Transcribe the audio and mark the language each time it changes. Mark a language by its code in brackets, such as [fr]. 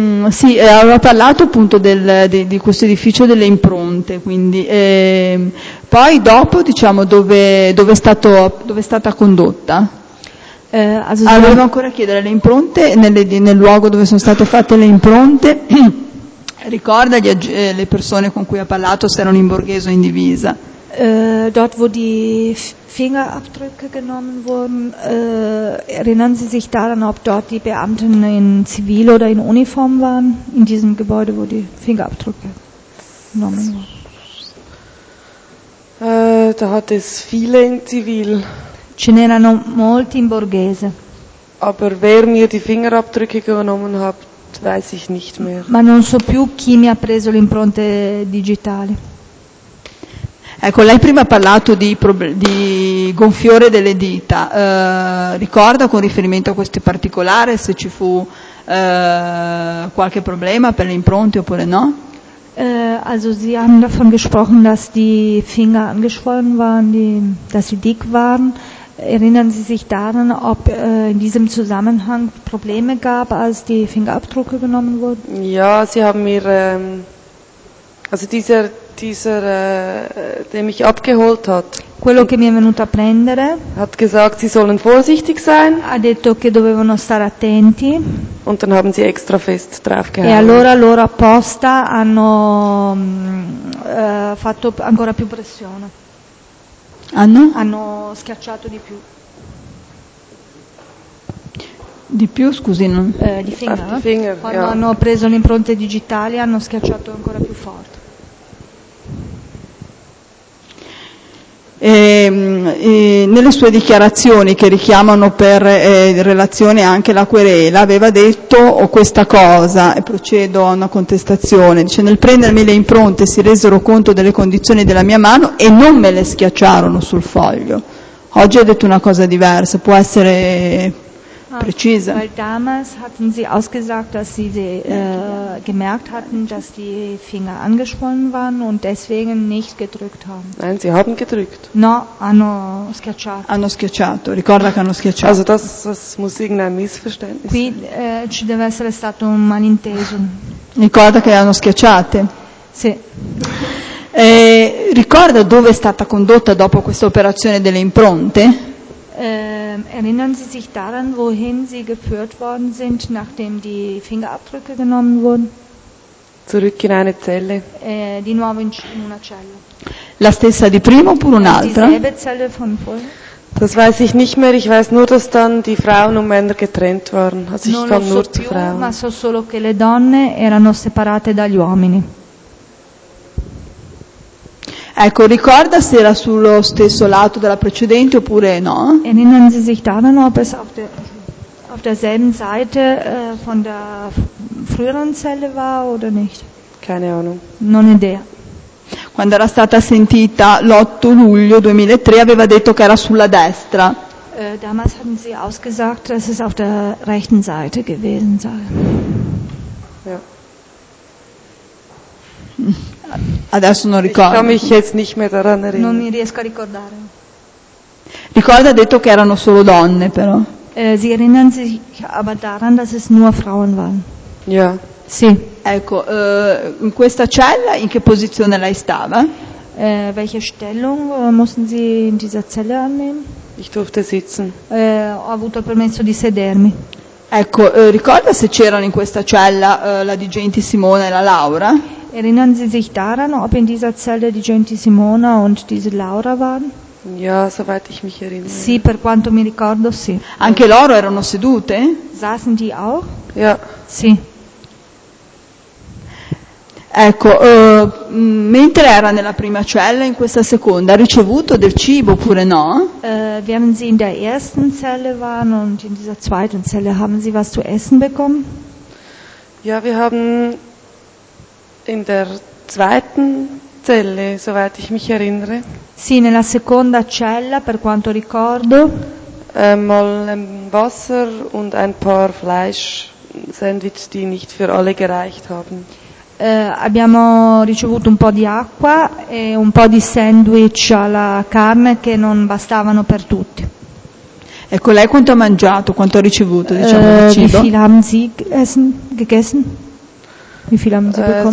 [it] Sì, aveva parlato appunto di questo edificio delle impronte, quindi poi dopo diciamo dove è stata condotta. Volevo ancora chiedere le impronte nel luogo dove sono state fatte le impronte. Ricorda le persone con cui ha parlato se erano in borghese o in divisa. [de] Dort wo die Fingerabdrücke genommen wurden, erinnern Sie sich daran, ob dort die Beamten in Zivil oder in Uniform waren, in diesem Gebäude, wo die Fingerabdrücke genommen wurden? Da hat es viele in Zivil. [it] Ce n'erano molti in borghese. [de] Aber wer mir die Fingerabdrücke genommen hat, weiß ich nicht mehr. [it] Ma non so più chi mi ha preso le impronte digitali. Ecco, lei prima ha parlato di gonfiore delle dita. Ricorda con riferimento a questo particolare se ci fu qualche problema per le impronte oppure no? [de] Also sie haben davon gesprochen, dass die Finger angeschwollen waren, dass sie dick waren. Erinnern Sie sich daran, ob in diesem Zusammenhang Probleme gab, als die Fingerabdrücke genommen wurden? Ja, sie haben mir also der mich abgeholt hat. [it] Quello che mi è venuto a prendere. [de] Hat gesagt, sie sollen vorsichtig sein. [it] Ha detto che dovevano stare attenti. [de] Und dann haben sie extra fest draufgehalten. [it] E allora loro apposta hanno fatto ancora più pressione. Hanno schiacciato di più. Di più, scusi, non. Di finger. Di finger. Quando hanno preso le impronte digitali hanno schiacciato ancora più forte. Nelle sue dichiarazioni che richiamano per relazione anche la querela aveva detto questa cosa e procedo a una contestazione, dice: nel prendermi le impronte si resero conto delle condizioni della mia mano e non me le schiacciarono sul foglio. Oggi ha detto una cosa diversa, può essere precisa? [de] Weil damals hatten sie ausgesagt, dass sie gemerkt hatten, dass die Finger angeschwollen waren und deswegen nicht gedrückt haben. Nein, sie haben gedrückt. [it] No, hanno schiacciato. Hanno schiacciato. Ricorda che hanno schiacciato. [de] Also das muss irgendein Missverständnis. [it] Qui ci deve essere stato un malinteso. Ricorda che hanno schiacciate. Sì. Ricorda dove è stata condotta dopo questa operazione delle impronte? [de] Erinnern Sie sich daran, wohin Sie geführt worden sind, nachdem die Fingerabdrücke genommen wurden? Zurück in eine Zelle. [it] Di nuovo in una cella. La stessa di prima oppure un'altra? [de] Dieselbe Zelle von vorher. Das weiß ich nicht mehr. Ich weiß nur, dass dann die Frauen und Männer getrennt waren. Also ich kam nur zu Frauen. [it] Ma so solo che le donne erano separate dagli uomini. Ecco, ricorda se era sullo stesso lato della precedente oppure no? [de] Erinnern Sie sich daran, ob es auf derselben Seite von der früheren Zelle war oder nicht? Keine Ahnung. [it] Non idea. Quando era stata sentita l'8 luglio 2003 aveva detto che era sulla destra. [de] Damals hatten Sie ausgesagt, dass es auf der rechten Seite gewesen sei. Ja. [it] Adesso non ricordo. [de] Ich kann mich jetzt nicht mehr daran erinnern. [it] Non mi riesco a ricordare. Ricorda, ha detto che erano solo donne, però. [de] Sie erinnern sich aber daran, dass es nur Frauen waren. Ja. [it] Sì. Ecco, in questa cella in che posizione lei stava? [de] Welche Stellung mussten Sie in dieser Zelle annehmen? Ich durfte sitzen. [it] Ho avuto il permesso di sedermi. Ecco, ricorda se c'erano in questa cella la dirigente Simona e la Laura? [de] Erinnern Sie sich daran, ob in dieser Zelle die Genti Simona und diese Laura waren? Ja, soweit ich mich erinnere. [it] Sì, per quanto mi ricordo, sì. Anche loro erano sedute? [de] Saßen die auch? Ja. [it] Sì. Ecco, mentre era nella prima cella, in questa seconda, ha ricevuto del cibo oppure no? [de] Während Sie in der ersten Zelle waren und in dieser zweiten Zelle, haben Sie was zu essen bekommen? Ja, wir haben in der zweiten Zelle, soweit ich mich erinnere. [it] Sì, nella seconda cella, per quanto ricordo. [de] Mal ein Wasser und ein paar Fleischsandwich, die nicht für alle gereicht haben. [it] Abbiamo ricevuto un po' di acqua e un po' di sandwich alla carne che non bastavano per tutti. Ecco, lei quanto ha mangiato, quanto ha ricevuto, diciamo, cibo? [de] Wie viel haben Sie essen, gegessen? Wie viel haben Sie bekommen?